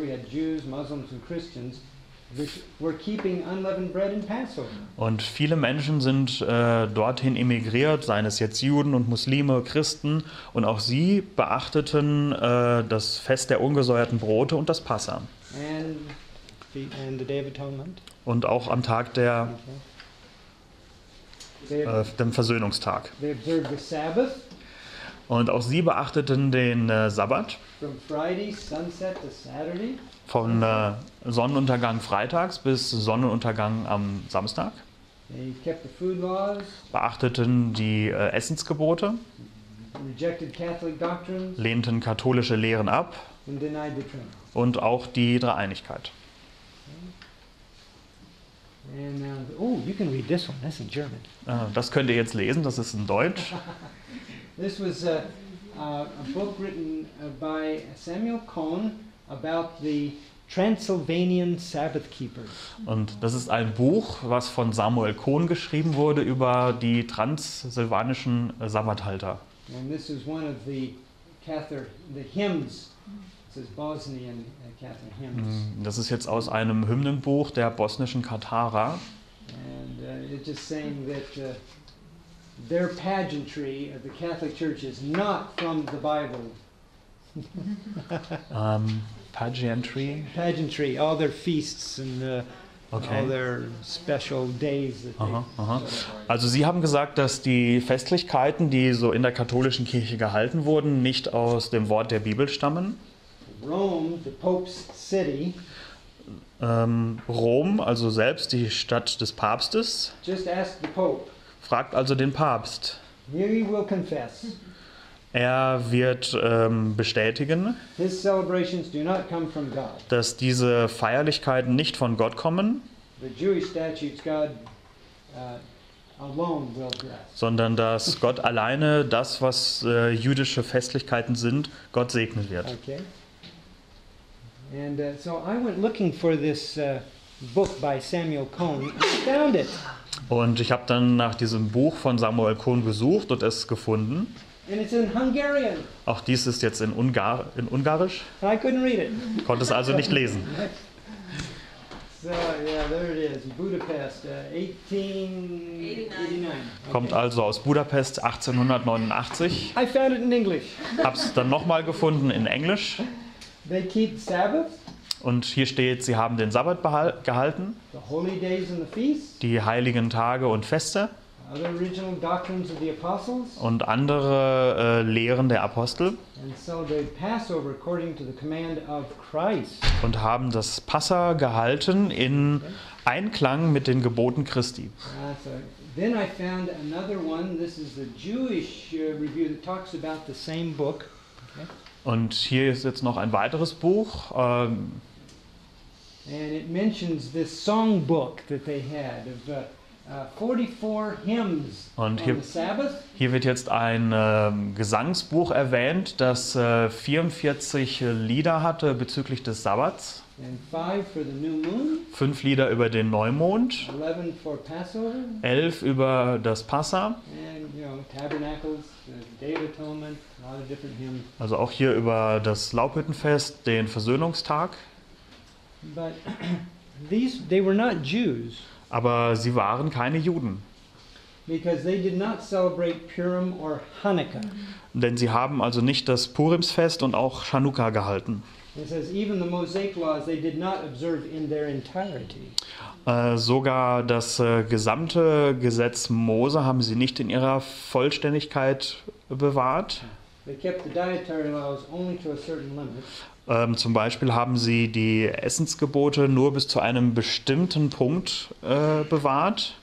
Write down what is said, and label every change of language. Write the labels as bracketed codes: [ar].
[en] We had Jews, Muslims and Christians, which were keeping unleavened bread and Passover. [de] Und viele Menschen sind dorthin emigriert, seien es jetzt Juden und Muslime, Christen. Und auch sie beachteten das Fest der ungesäuerten Brote und das Passa. [en] And the Day of Atonement. [de] Und auch am Tag der dem Versöhnungstag. [en] They observed the Sabbath. [de] Und auch sie beachteten den Sabbat. [en] From Friday, sunset to Saturday. [de] Von Sonnenuntergang freitags bis Sonnenuntergang am Samstag. [en] They kept the food laws. [de] Beachteten die Essensgebote. [en] Rejected Catholic doctrines. [de] Lehnten katholische Lehren ab. [en] And denied the Trinity. [de] Und auch die Dreieinigkeit. [en] And oh, you can read this one. That's in German. [de] Das könnt ihr jetzt lesen. Das ist in Deutsch. [en] This was a book written by Samuel Cohn about the Transylvanian Sabbath Keepers. [de] Und das ist ein Buch, was von Samuel Cohn geschrieben wurde über die transsilvanischen Sabbathhalter. [en] And this is one of the hymns. This is Bosnian Catholic hymns. [de] Das ist jetzt aus einem Hymnenbuch der bosnischen Katara. [en] And it's just saying that their pageantry of the Catholic Church is not from the Bible. Pageantry. Pageantry, all their feasts and okay. All their special days. That [de] Also Sie haben gesagt, dass die Festlichkeiten, die so in der katholischen Kirche gehalten wurden, nicht aus dem Wort der Bibel stammen. [en] Rome, the Pope's city. [de] Rom, also selbst die Stadt des Papstes. [en] Just ask the Pope. [de] Fragt also den Papst. [en] He will confess. [de] Er wird bestätigen, [en] his celebrations do not come from God. [de] Dass diese Feierlichkeiten nicht von Gott kommen, [en] the Jewish statutes God, alone will bless. [de] Sondern dass Gott alleine das, was jüdische Festlichkeiten sind, Gott segnen wird. Okay. [en] And so I went looking for this book by Samuel Cohn. I found it. [de] Und ich habe dann nach diesem Buch von Samuel Cohn gesucht und es gefunden. [en] And it's in Hungarian. [de] Auch dies ist jetzt in Ungarisch. [en] And I couldn't read it. [de] Konnte es also nicht lesen. [en] So, yeah, there it is. Budapest, 1889. [de] Okay. Kommt also aus Budapest, 1889. [en] I found it in English. [de] Hab's dann nochmal gefunden in Englisch. [en] They keep Sabbath. [de] Und hier steht, sie haben den Sabbat gehalten. [en] The holy days and the feasts. [de] Die heiligen Tage und Feste. [en] Other original doctrines of the apostles. [de] Und andere Lehren der Apostel. [en] And celebrate Passover according to the command of Christ. [de] Und haben das Passa gehalten in Einklang mit den Geboten Christi. [en] Then I found another one. This is a Jewish review that talks about the same book. [de] Und hier ist jetzt noch ein weiteres Buch. [en] And it mentions this songbook that they had of 44 hymns [de] und hier, [en] on the Sabbath. [de] Hier wird jetzt ein Gesangsbuch erwähnt, das 44 Lieder hatte bezüglich des Sabbats. [en] And 5 for the new moon. [de] 5 Lieder über den Neumond. [en] 11 for Passover. [de] 11 über das Passa. [en] And, you know, Tabernacles, the Day of Atonement. [de] Also auch hier über das Laubhüttenfest, den Versöhnungstag. [en] But these, they were not Jews. [de] Aber sie waren keine Juden. [en] Because they did not celebrate Purim or Hanukkah. [de] Denn sie haben also nicht das Purimsfest und auch Chanukka gehalten. [en] It says even the Mosaic laws they did not observe in their entirety. [de] Sogar das gesamte Gesetz Mose haben sie nicht in ihrer Vollständigkeit bewahrt. [en] They kept the dietary laws only to a certain limit. [de] Zum Beispiel haben sie die Essensgebote nur bis zu einem bestimmten Punkt bewahrt.